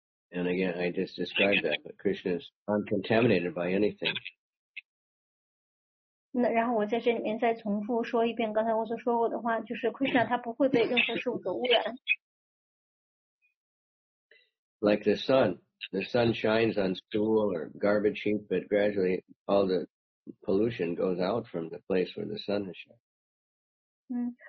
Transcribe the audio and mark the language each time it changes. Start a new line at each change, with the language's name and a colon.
English: And again, I just described that, but Krishna is uncontaminated by anything.
Chinese: 那然后我在这里面再重复说一遍刚才我所说过的话，就是 Krishna 他不会被任何事物所污染。
English: Like the sun shines on stool or garbage heap, but gradually all the pollution goes out from the place where the sun is shining.